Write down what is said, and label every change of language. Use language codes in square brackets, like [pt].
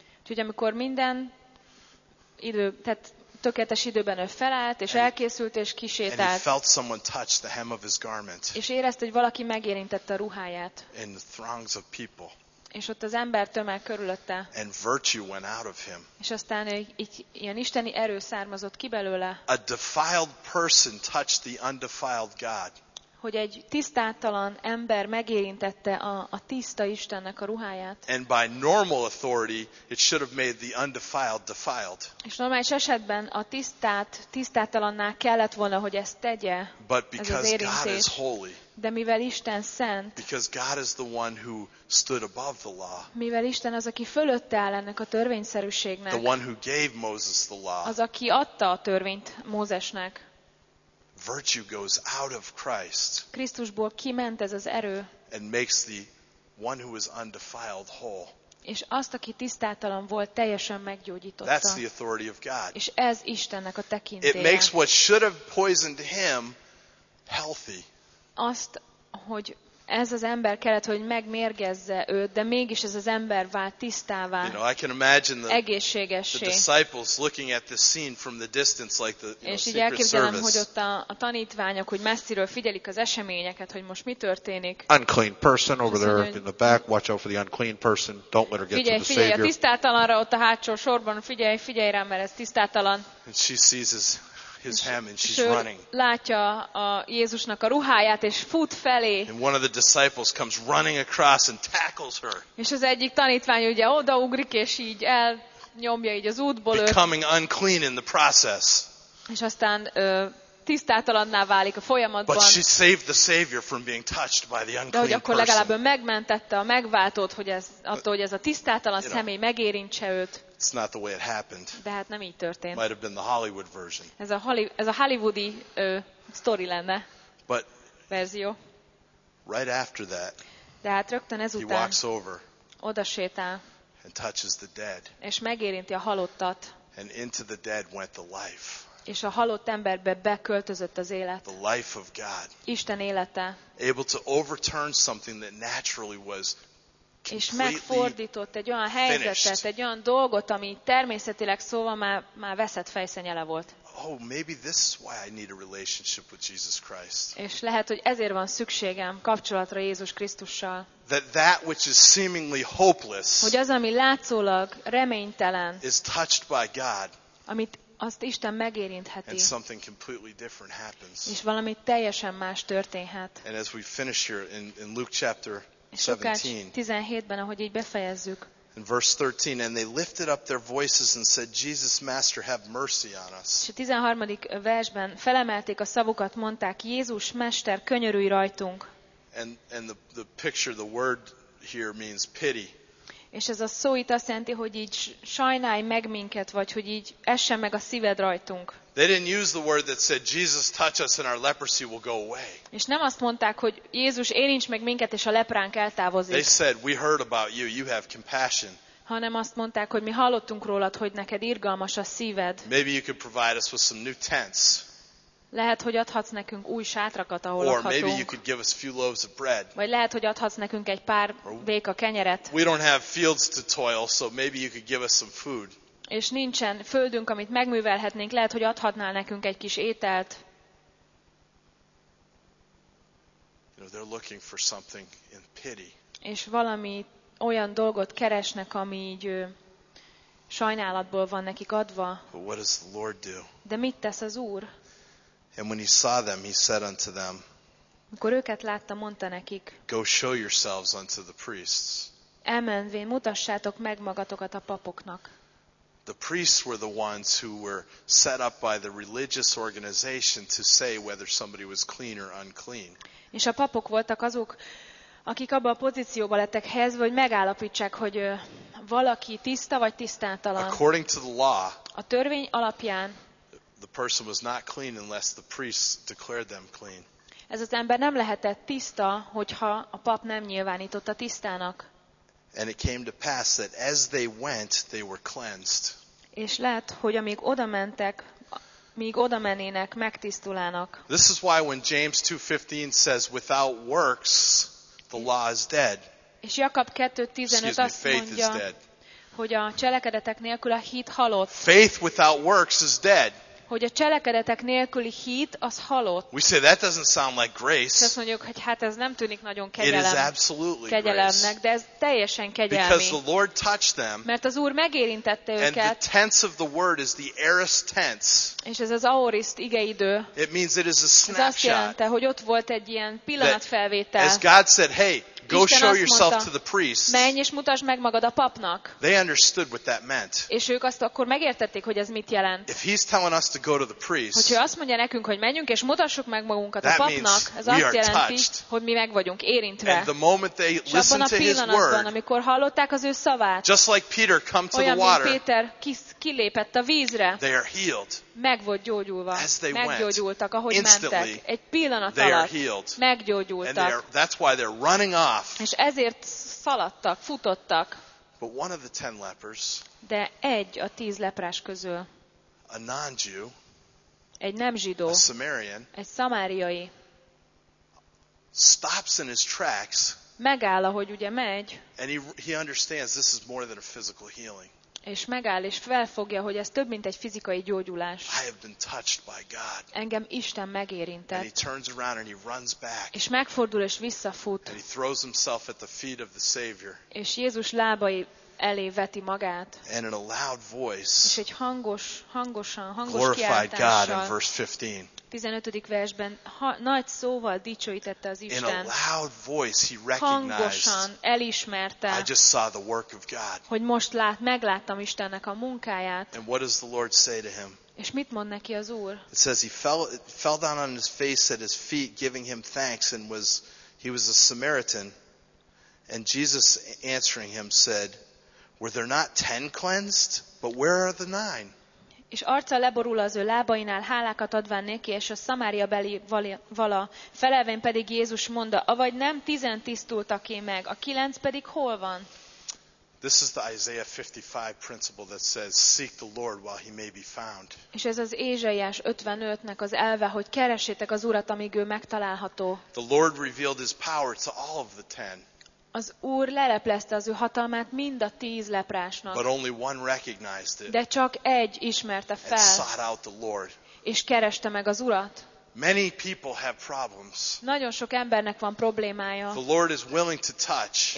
[hu] Úgyhogy amikor minden idő, tehát tökéletes időben ő felállt, és elkészült, és kisétált. [en] And he felt someone touch the hem of his garment. [hu] És érezte, hogy valaki megérintette a ruháját. [en] In the throngs of people. [hu] És ott az ember tömeg körülötte. [en] And virtue went out of him. [hu] És aztán így ilyen isteni erő származott ki belőle. [en] A defiled person touched the undefiled God. [hu] hogy egy tisztátalan ember megérintette a tiszta Istennek a ruháját. [en] And by normal authority, it should have made the undefiled defiled. [hu] És normális esetben a tisztát tisztátalanná kellett volna, hogy ezt tegye. [en] But because God is holy. [hu] De mivel Isten szent. [en] Because God is the one who stood above the law. [hu] Mivel Isten az, aki fölötte áll ennek a törvényszerűségnek. [en] The one who gave Moses the law. [hu] Az, aki adta a törvényt Mózesnek. [en] Virtue goes out of Christ. [hu] Krisztusból kiment ez az erő. [en] And makes the one who is undefiled whole. [hu] És azt, aki tisztátalan volt, teljesen meggyógyította. [en] That's the authority of God. [hu] És ez Istennek a tekintélye. [en] It makes what should have poisoned him healthy. [hu] Azt, hogy ez az ember kellett, hogy megmérgezze őt, de mégis ez az ember vált tisztává, egészségessé. [en] The disciples looking at this scene from the distance, like the, you know, [hu] és így elképzelem, hogy ott a tanítványok, hogy messziről figyelik az eseményeket, hogy most mi történik. [en] Unclean person over there in the back, watch out for the unclean person, don't let her get [hu] figyelj, [en] to the Savior. [hu] Figyelj, a tisztátalanra ott a hátsó sorban, figyelj, figyelj rám, mert ez tisztátalan. [en] And she sees his hem and she's running. [hu] Látja a Jézusnak a ruháját és fut felé. [en] And one of the disciples comes running across and tackles her. [hu] És az egyik tanítvány ugye odaugrik és így elnyomja így az útból őt. [en] Becoming unclean in the process. [hu] És aztán tisztátalanná válik a folyamatban. [en] But she saved the Savior from being touched by the unclean person. [hu] De hogy akkor legalább ő megmentette a megváltót, hogy ez attól, hogy ez a tisztátalan személy megérintse őt. [en] It's not the way it happened. [hu] De hát nem így történt. [en] Might have been the Hollywood version. [hu] Ez a hollywoodi story lenne. [en] But [hu] verzió. [en] Right after that. [hu] De hát rögtön ezután. [en] He walks over. [hu] Oda sétál. [en] And touches the dead. [hu] És megérinti a halottat. [en] And into the dead went the life. [hu] És a halott emberbe beköltözött az élet. [en] The life of God. [hu] Isten élete. [en] Able to overturn something that naturally was. [hu] És megfordított egy olyan helyzetet, [en] finished. [hu] Egy olyan dolgot, ami természetileg szóval már veszett fejszennyele volt. [en] Oh, maybe this is why I need a relationship with Jesus Christ. [hu] És lehet, hogy ezért van szükségem kapcsolatra Jézus Krisztussal. [en] That which is seemingly hopeless. [hu] Hogy az, ami látszólag reménytelen. [en] Is touched by God. [hu] Amit azt Isten megérintheti. [en] And something completely different happens. [hu] És valami teljesen más történhet. [en] And as we finish here in Luke chapter [hu] 17-ben, ahogy így befejezzük. [en] In verse 13, and they lifted up their voices and said, Jesus, Master, have mercy on us. [hu] És a 13. versben felemelték a szavukat, mondták, Jézus, Mester, könyörülj rajtunk. [en] And the picture, the word here means pity. [hu] És ez a szó itt azt jelenti, hogy így sajnálj meg minket, vagy hogy így essen meg a szíved rajtunk. [en] They didn't use the word that said Jesus touch us and our leprosy will go away. [hu] És nem azt mondták, hogy Jézus érints meg minket és a lepránk eltávozik. [en] They said we heard about you, you have compassion. [hu] Hanem azt mondták, hogy mi hallottunk rólad, hogy neked irgalmas a szíved. [en] Maybe you could provide us with some new tents. [hu] Lehet, hogy adhatsz nekünk új sátrakat, ahol [en] or [hu] lakhatunk. [en] Maybe you could give us a few loaves of bread. [hu] Vagy lehet, hogy adhatsz nekünk egy pár béka kenyeret. [en] We don't have fields to toil, so maybe you could give us some food. [hu] És nincsen földünk, amit megművelhetnénk, lehet, hogy adhatnál nekünk egy kis ételt. [en] You know, they're looking for something in pity. [hu] És valami olyan dolgot keresnek, ami így sajnálatból van nekik adva. [en] But what does the Lord do? [hu] De mit tesz az Úr? [en] And when he saw them, he said unto them, [hu] amikor őket látta, mondta nekik, [en] go show yourselves unto the priests. [hu] Elmenvén mutassátok meg magatokat a papoknak. [en] The priests were the ones who were set up by the religious organization to say whether somebody was clean or unclean. [hu] És a papok voltak azok, akik abban a pozícióban lettek helyezve, hogy megállapítsák, hogy valaki tiszta vagy tisztátalan. [en] According to the law, [hu] a törvény alapján, [en] the person was not clean unless the priests declared them clean. [hu] Ez az ember nem lehetett tiszta, hogyha a pap nem nyilvánította tisztának. [en] And it came to pass that as they went, they were cleansed. [hu] És lehet, hogy amíg oda mentek, míg oda mennének, megtisztulának. [en] This is why when James 2:15 says, without works, the law is dead. [hu] És Jakab 2:15 azt mondja, hogy a cselekedetek nélkül a hit halott. [en] Faith without works is dead. [hu] hogy a cselekedetek nélküli hit az halott. [en] We say that doesn't sound like grace. [hu] Azt mondjuk, hogy hát ez nem tűnik nagyon kegyelem. [en] It is absolutely [hu] kegyelemnek, [en] grace. [hu] De ez teljesen kegyelmi. [en] Because the Lord touched them. [hu] Mert az Úr megérintette őket. [en] And the tense of the word is the aorist tense. [hu] És ez az aorist igeidő. [en] It means it is a snapshot. [hu] Ez azt jelenti, hogy ott volt egy ilyen pillanatfelvétel. [en] As God said, hey, go show yourself to the priests. [hu] Menj és mutasd meg magad a papnak. [en] They understood what that meant. [hu] És ők azt akkor megértették, hogy ez mit jelent. [en] If he's telling us to go to the priests, [hu] hogyha azt mondja nekünk, hogy menjünk és mutassuk meg magunkat a papnak, ez azt jelenti, hogy mi meg vagyunk érintve. [en] And the moment they listened to his word, [hu] amikor hallották az ő szavát, [en] just like Peter come to the water, [hu] Péter kilépett a vízre, [en] they are healed. [hu] Meg volt gyógyulva. [en] As they [hu] meggyógyultak, ahogy mentek. Egy pillanat [en] they [hu] alatt [en] are healed. [hu] Meggyógyultak. [en] And they are, that's why they're running off. [hu] És ezért szaladtak, futottak. [en] But one of the ten lepers, [hu] de egy a tíz leprás közül, [en] a non-Jew, [hu] egy nem zsidó, [en] a Samarian, [hu] egy szamáriai, [en] stops in his tracks, [hu] megáll, ahogy ugye megy, [en] and he understands this is more than a physical healing. [hu] És megáll, és felfogja, hogy ez több, mint egy fizikai gyógyulás. [en] I have been touched by God. [hu] Engem Isten megérintett. [en] And he turns around and he runs back. [hu] És megfordul, és visszafut. [en] And he throws himself at the feet of the Savior. [hu] És Jézus lábai elé veti magát. [en] And in a loud voice, [hu] és egy hangos [en] glorified [hu] kiáltással. [en] God in verse 15. [hu] 15. versben nagy szóval dicsőítette az Isten. [en] In a loud voice he recognized, [hu] hangosan elismerte, [en] I just saw the work of God. [hu] Hogy most megláttam Istennek a munkáját. [en] And what does the Lord say to him? [hu] És mit mond neki az Úr? [en] It says he fell down on his face at his feet, giving him thanks, and he was a Samaritan. And Jesus answering him said, were there not ten cleansed? But where are the nine? [hu] És arca leborul az ő lábainál, hálákat adván neki, és a Szamária beli vala felelvén pedig Jézus mondta, avagy nem tizen tisztultak-e meg, a kilenc pedig hol van? [en] This is the Isaiah 55 principle that says, seek the Lord while he may be found. [hu] És ez az Ézsaiás 55-nek az elve, hogy keressétek az Urat, amíg ő megtalálható. [en] The Lord revealed his power to all of the ten. [hu] Az Úr leleplezte az ő hatalmát mind a tíz leprásnak. [en] But only one recognized it, [hu] de csak egy ismerte fel. [en] And sought out the Lord. [hu] És kereste meg az Urat. [en] Many people have problems. [hu] Nagyon sok embernek van problémája. [en] The Lord is willing to touch,